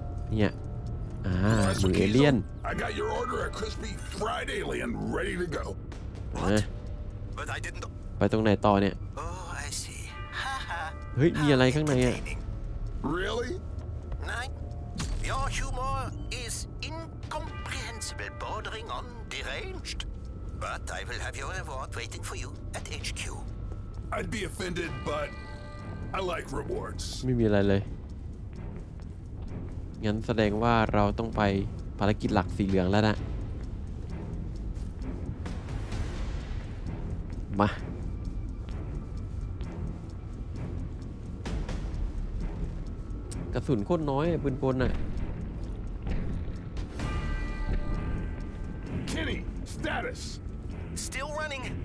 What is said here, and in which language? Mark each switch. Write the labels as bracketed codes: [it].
[th] เนี่ยมือเอเลี่ยน [en] I got your order a crispy fried alien ready to go But I didn't [th] ไปตรงไหนต่อเนี่ย [en] Oh I see [th] เฮ้ยมีอะไรข้างในอ่ะ [en] Really Nine Your humor is incomprehensible bordering on deranged But I will have your reward waiting for you at HQ. I'd be offended, but I like rewards. [th] ไม่มีอะไรเลยงั้นแสดงว่าเราต้องไปภารกิจหลักสีเหลืองแล้วนะมาก ระสุนโคตรน้อยปืนกลน่ะKenny, [en] statusStill running.